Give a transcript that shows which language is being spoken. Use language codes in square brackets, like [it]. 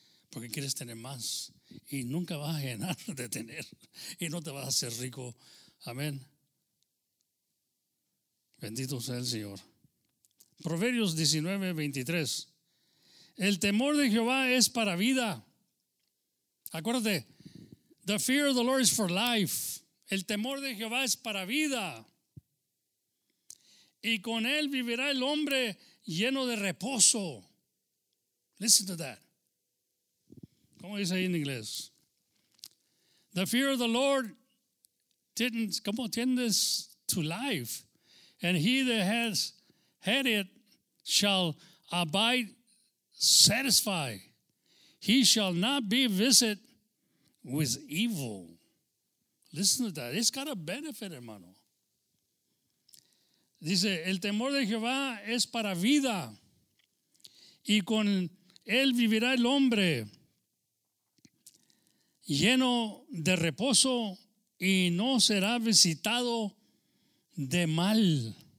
[es] Porque quieres tener más y nunca vas a llenar de tener y no te vas a hacer rico. Amén. Bendito sea el Señor. Proverbios 19:23. El temor de Jehová es para vida. Acuérdate, [en] the fear of the Lord is for life. [es] El temor de Jehová es para vida. Y con él vivirá el hombre lleno de reposo. [en] Listen to that. [es] ¿Cómo dice ahí en inglés? [en] The fear of the Lord didn't, [es] ¿cómo tiendes [en] to life? And he that has had it shall abide satisfied. He shall not be visited with evil. Listen to that. It's got a benefit, hermano. [es] Dice, el temor de Jehová es para vida. Y con él vivirá el hombre lleno de reposo y no será visitado de mal.